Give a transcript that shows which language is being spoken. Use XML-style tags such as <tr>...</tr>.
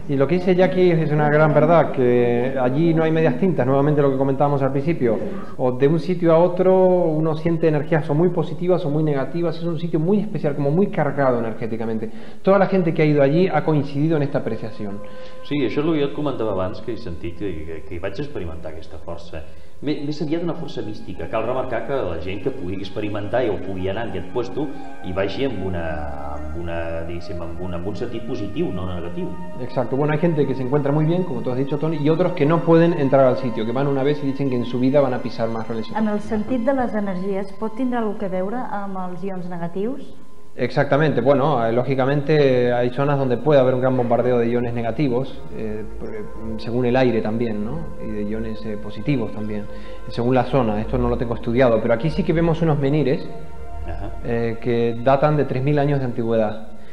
<es>Y lo que dice Jackie es una gran verdad, que allí no hay medias tintas, nuevamente lo que comentábamos al principio, o de un sitio a otro uno siente energías o muy positivas o muy negativas. Es un sitio muy especial, como muy cargado energéticamente. Toda la gente que ha ido allí ha coincidido en esta apreciación.</es> <ca>Sí, això és el que jo et comentava abans, que he sentit que vaig experimentar aquesta força. Més enllà d'una força mística, cal remarcar que la gent que pugui experimentar i ho pugui anar en aquest lloc hi vagi amb un sentit positiu, no negatiu.</ca> <es>Exacto. Bueno, hay gente que se encuentra muy bien, como tú has dicho, Toni, y otros que no pueden entrar al sitio, que van una vez y dicen que en su vida van a pisar más relacionados.</es> <ca>En el sentit de les energies, pot tindre alguna cosa a veure amb els ions negatius?</ca> <es>Exactamente, bueno, lógicamente hay zonas donde puede haber un gran bombardeo de iones negativos, según el aire también, ¿no? Y de iones positivos también, según la zona. Esto no lo tengo estudiado, pero aquí sí que vemos unos menhires que datan de 3.000 años de antigüedad.</es>